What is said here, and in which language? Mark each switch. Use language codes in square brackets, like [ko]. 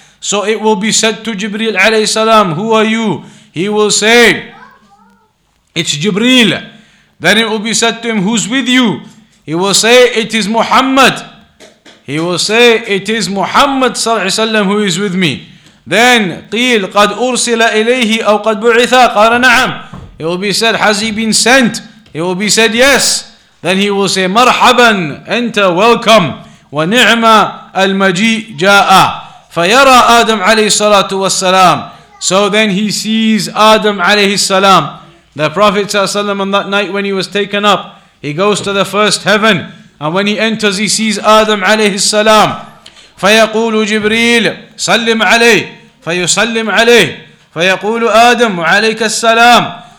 [en] So it will be said to Jibreel [ar] عليه السلام, [en] who are you? He will say, it's Jibreel. Then it will be said to him, who's with you? He will say, it is Muhammad. He will say, it is Muhammad sallallahu alayhi wa sallam who is with me. Then, [ar] قيل قد أرسل إليه أو قد بعث قال نعم. [en] It will be said, has he been sent? It will be said, yes. Then he will say, مرحبا, enter, welcome. [ar] ونعم المجيء جاء. فيرى آدم عليه الصلاة والسلام. [en] So then he sees Adam [ar] عليه السلام. [en] The Prophet sallallahu alayhi wa sallam, on that night when he was taken up, he goes to the first heaven. And when he enters, he sees Adam alayhi salam. [ar] فَيَقُولُ جِبْرِيلُ سَلِّمْ عَلَيْهِ فَيُسَلِّمْ عَلَيْهِ فَيَقُولُ آدَمُ عَلَيْكَ السَّلَامُ.